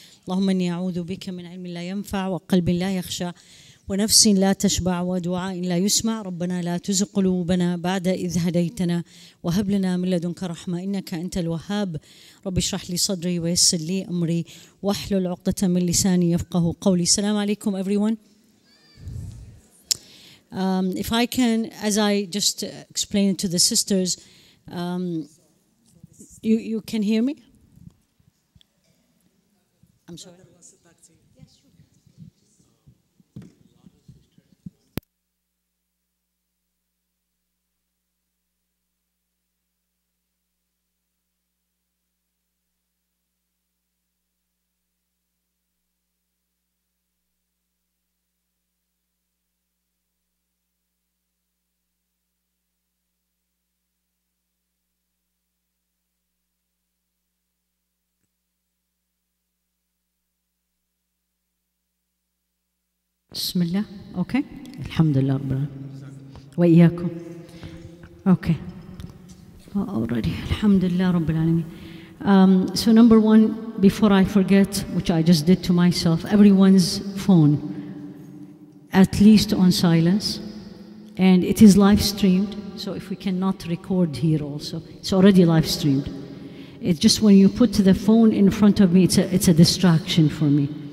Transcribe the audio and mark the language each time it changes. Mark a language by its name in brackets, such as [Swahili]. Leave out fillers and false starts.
[Arabic] اللهم إني أعوذ بك من علم لا ينفع وقلب لا يخشى ونفس لا تشبع ودعاء لا يسمع. ربنا لا تزغ قلوبنا بعد إذ هديتنا وهب لنا من لدنك رحمة إنك أنت الوهاب. رب اشرح لي صدري ويسر لي أمري واحلل عقدة من لساني يفقه قولي. السلام عليكم [English] everyone. If I can, as I just explained to the sisters, you can hear me? I'm sorry. [Arabic] بسم الله [English] okay [Arabic] الحمد لله رب العالمين واياكم اوكي [English] already [Arabic] الحمد لله رب العالمين. [English] So number one, before I forget, which I just did to myself, everyone's phone at least on silence, and it is live streamed, so if we cannot record here also, it's already live streamed. It's just when you put the phone in front of me, it's a distraction for me.